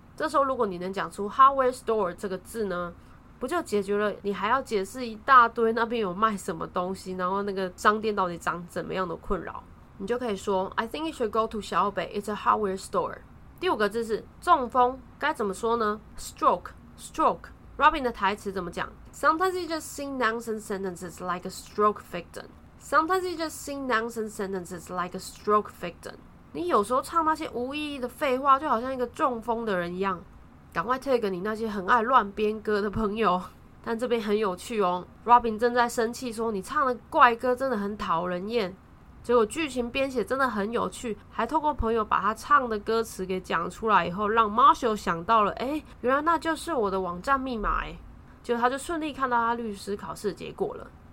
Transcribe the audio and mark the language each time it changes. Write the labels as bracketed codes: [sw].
[zh] 这时候如果你能讲出 hardware store 这个字呢，不就解决了你还要解释一大堆那边有卖什么东西然后那个商店到底长怎么样的困扰，你就可以说 [en] I think you should go to 小北， It's a hardware store。 [zh] 第五个字是中风，该怎么说呢？ [en] Stroke, Stroke。 [zh] Robin 的台词怎么讲？ [en] Sometimes you just sing nonsense sentences like a stroke victim, Sometimes you just sing nonsense sentences like a stroke victim。 [zh] 你有时候唱那些无意义的废话就好像一个中风的人一样，赶快 tag 你那些很爱乱编歌的朋友。但这边很有趣哦， Robin 正在生气说你唱的怪歌真的很讨人厌，结果剧情编写真的很有趣，还透过朋友把他唱的歌词给讲出来以后，让 Marshall 想到了，哎，原来那就是我的网站密码，哎，结果他就顺利看到他律师考试的结果了。